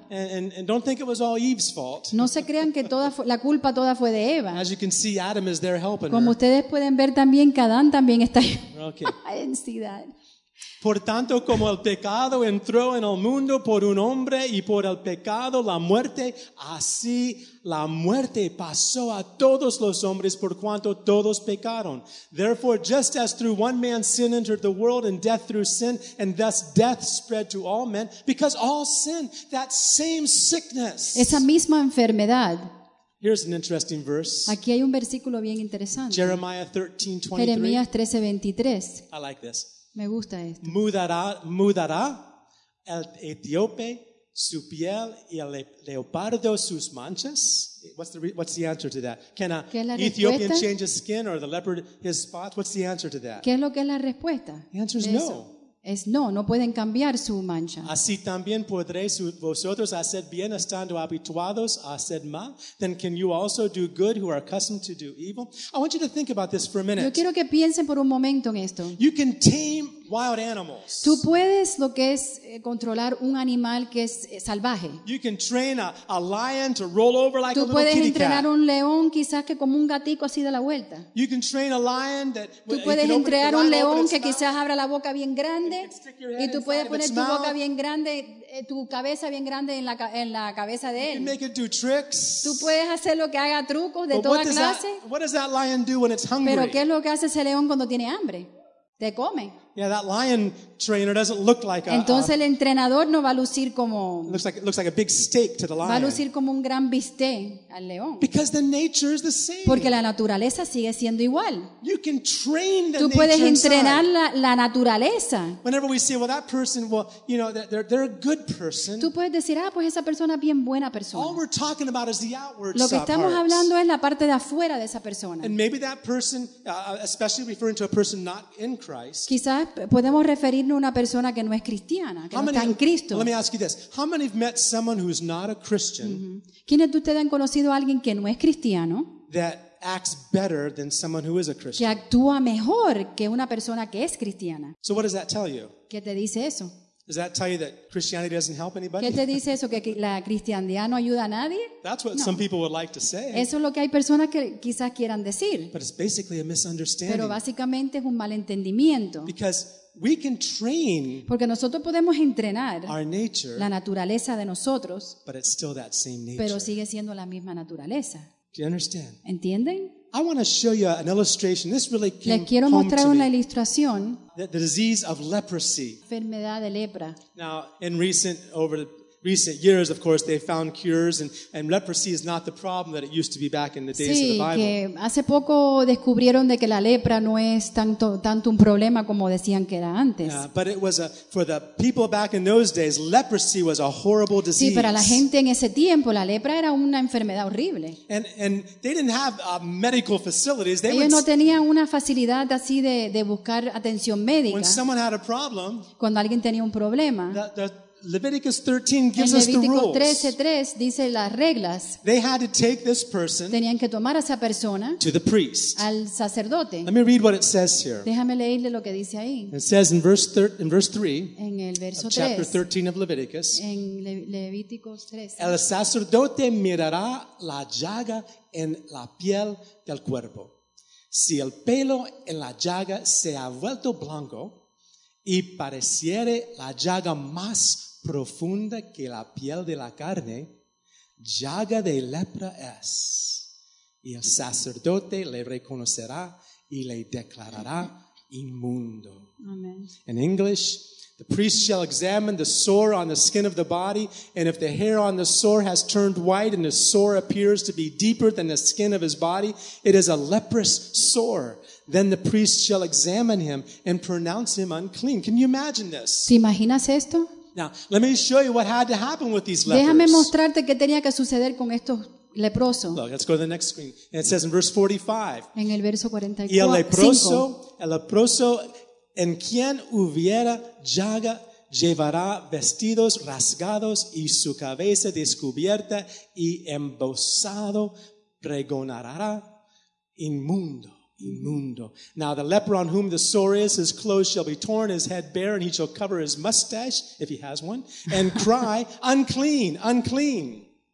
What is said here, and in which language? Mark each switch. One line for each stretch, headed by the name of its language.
English: And don't think it was all Eve's fault.
Spanish: No se crean que toda la culpa toda fue de Eva.
English: As you can see, Adam is there helping
Spanish: como Ustedes pueden ver también que Adán también está
English: okay.
Spanish: en ciudad. Por tanto, como el pecado entró en el mundo por un hombre y por el pecado la muerte, así la muerte pasó a todos los hombres por cuanto todos pecaron.
English: Therefore, just as through one man sin entered the world and death through sin, and thus death spread to all men, because all sin, that same sickness.
Spanish: Esa misma enfermedad.
English: Here's an interesting verse.
Spanish: Aquí hay un versículo bien interesante.
English: Jeremiah 13:23.
Spanish: Jeremías 13:23.
English: I like this.
Spanish: Me gusta esto. Mudará el etíope su piel y el leopardo sus manchas.
English: What's the answer to that? Can an Ethiopian change his skin or the leopard his spots? What's the answer to that?
Spanish: ¿Qué es lo que es la respuesta?
English: The answer is no.
Spanish: Es no, no pueden cambiar su mancha. Así también podréis vosotros hacer bien estando habituados a hacer mal.
English: Then can you also do good who are accustomed to do evil? I want you to think about this for a minute.
Spanish: Yo quiero que piensen por un momento en esto.
English: You can tame wild animals.
Spanish: Tú puedes lo que es controlar un animal que es salvaje.
English: You can train a lion to roll over like
Spanish: tú
English: a little kitty cat.
Spanish: Tú puedes entrenar un león quizás que como un gatico así de la vuelta.
English: You can train a lion that
Spanish: tú puedes entrenar un león que quizás abra la boca bien grande y tú puedes poner tu boca bien grande, tu cabeza bien grande en la cabeza de él.
English: You can make it do tricks.
Spanish: Tú puedes hacer lo que haga trucos de
English: but
Spanish: toda clase.
English: What does that lion do when it's hungry?
Spanish: Pero ¿qué es lo que hace ese león cuando tiene hambre? Te come.
English: Yeah, that lion trainer doesn't look like a.
Spanish: Entonces el entrenador no va a lucir como.
English: Looks like a big steak to the lion.
Spanish: Va a lucir como un gran bistec al león.
English: Because the nature is the same.
Spanish: Porque la naturaleza sigue siendo igual.
English: You can train the nature.
Spanish: Tú puedes entrenar la naturaleza.
English: Whenever we say, well, that person, well, you know, they're a good person.
Spanish: Tú puedes decir, ah, pues esa persona es bien buena persona.
English: All we're talking about is the outward.
Spanish: Lo que estamos hablando es la parte de afuera de esa persona.
English: And maybe that person, especially referring to a person not in Christ.
Spanish: Quizás podemos referirnos a una persona que no es cristiana, que no está en Cristo.
English: Let me ask you this. How many have met someone who is not a Christian? Mm-hmm.
Spanish: ¿Quiénes de ustedes han conocido a alguien que no es cristiano?
English: That acts better than someone who is a Christian.
Spanish: Que actúa mejor que una persona que es cristiana.
English: So what does that tell you?
Spanish: ¿Qué te dice eso?
English: Does that tell you that Christianity doesn't help anybody?
Spanish: ¿Qué te dice eso que la cristiandad no ayuda a nadie?
English: That's what some people would like to say.
Spanish: Eso es lo que hay personas que quizás quieran decir.
English: But it's basically a misunderstanding.
Spanish: Pero básicamente es un malentendimiento.
English: Because we can train.
Spanish: Porque nosotros podemos entrenar
English: our nature,
Spanish: la naturaleza de nosotros.
English: But it's still that same nature.
Spanish: Pero sigue siendo la misma naturaleza.
English: Do you understand?
Spanish: ¿Entienden?
English: I want to show you an illustration. This really came home to me.
Spanish: Les quiero mostrar una ilustración.
English: The disease of leprosy.
Spanish: Enfermedad de lepra.
English: Now, over the recent years, of course, they found cures, and leprosy is not the problem that it used to be back in the days
Spanish: sí,
English: of the Bible.
Spanish: Sí, que hace poco descubrieron de que la lepra no es tanto un problema como decían que era antes.
English: Yeah, but it was for the people back in those days, leprosy was a horrible disease.
Spanish: Sí, para la gente en ese tiempo, la lepra era una enfermedad horrible.
English: And they didn't have medical facilities. They
Spanish: ellos no tenían una facilidad así de buscar atención médica.
English: When someone had a problem,
Spanish: cuando alguien tenía un problema,
English: Leviticus 13 gives us the rules.
Spanish: Levítico 13:3 dice las reglas.
English: They had to take this person.
Spanish: Tenían que tomar a esa persona.
English: To the priest.
Spanish: Al sacerdote.
English: Let me read what it says here.
Spanish: Déjame leerle lo que dice ahí.
English: It says in verse 3.
Spanish: En el verso 3.
English: Chapter 13 of Leviticus.
Spanish: En Levíticos 13. El sacerdote mirará la llaga en la piel del cuerpo. Si el pelo en la llaga se ha vuelto blanco y pareciere la llaga más profunda que la piel de la carne, llaga de lepra es. Y el sacerdote le reconocerá y le declarará inmundo.
English: Amen. In English, the priest shall examine the sore on the skin of the body, and if the hair on the sore has turned white and the sore appears to be deeper than the skin of his body, it is a leprous sore. Then the priest shall examine him and pronounce him unclean. Can you imagine this?
Spanish: ¿Te imaginas esto?
English: Now, let me show you what had to happen with these lepers.
Spanish: Déjame mostrarte qué tenía que suceder con estos leprosos.
English: Look, let's go to the next screen. And it says in verse 45.
Spanish: En el verso 45. Y el leproso en quien hubiera llaga llevará vestidos rasgados y su cabeza descubierta y embozado pregonará inmundo. Inmundo.
English: Now the leper on whom the sore is, his clothes shall be torn, his head bare, and he shall cover his mustache, if he has one, and cry, unclean, unclean.